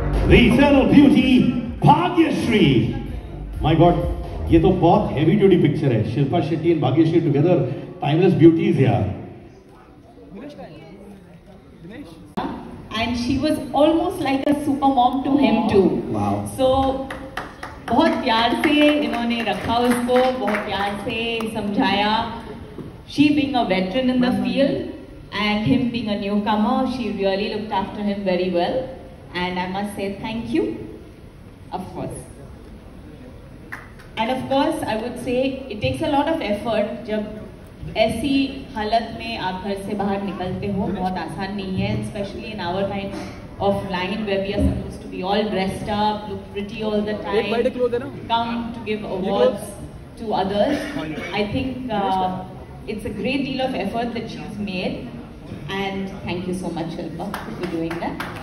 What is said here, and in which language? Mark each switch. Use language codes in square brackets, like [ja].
[en] The eternal beauty, Bhagyashree. My God, [hi] ये तो बहुत [en] heavy duty picture है. Shilpa Shetty and Bhagyashree together, timeless beauties, यार. And she was almost like a super mom to him too. Wow. [hi] So बहुत प्यार से इन्होंने रखा उसको, बहुत प्यार से समझाया. [en] She being a veteran in the field and him being a newcomer, she really looked after him very well. And I must say thank you, of course. And of course, I would say it takes a lot of effort. [hi] जब ऐसी हालत में आप घर से बाहर निकलते हो, बहुत आसान नहीं है. [en] Especially in our kind of line where we are supposed to be all dressed up, look pretty all the time, come to give awards to others. I think it's a great deal of effort that she's made. And thank you so much, Shilpa, for doing that.